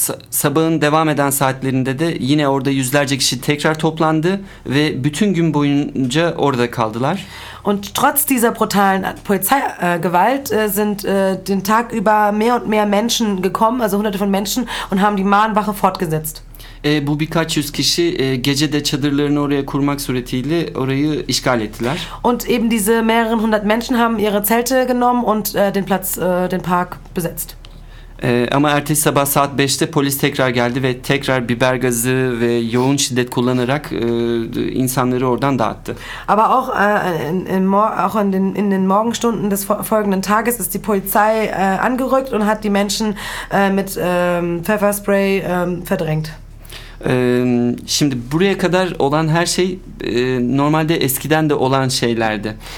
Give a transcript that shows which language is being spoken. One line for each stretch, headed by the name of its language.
Turkish: Sabahın devam eden saatlerinde de yine orada yüzlerce kişi tekrar toplandı ve bütün gün boyunca orada kaldılar.
German: Und trotz dieser brutalen Polizeigewalt sind den Tag über mehr und mehr Menschen gekommen, also hunderte von Menschen und haben die Mahnwache fortgesetzt.
Turkish: Bu birkaç yüz kişi gece de çadırlarını oraya kurmak suretiyle orayı işgal ettiler.
German: Und eben diese mehreren hundert Menschen haben ihre Zelte genommen und den Platz den Park besetzt.
Turkish: Ama ertesi sabah saat 5'te polis tekrar geldi ve tekrar biber gazı ve yoğun şiddet kullanarak insanları oradan dağıttı.
German: Aber auch in den Morgenstunden des folgenden Tages ist die Polizei angerückt und hat die Menschen mit Pfefferspray verdrängt.
Turkish: Şimdi buraya kadar olan her şey normalde eskiden de olan şeylerdi.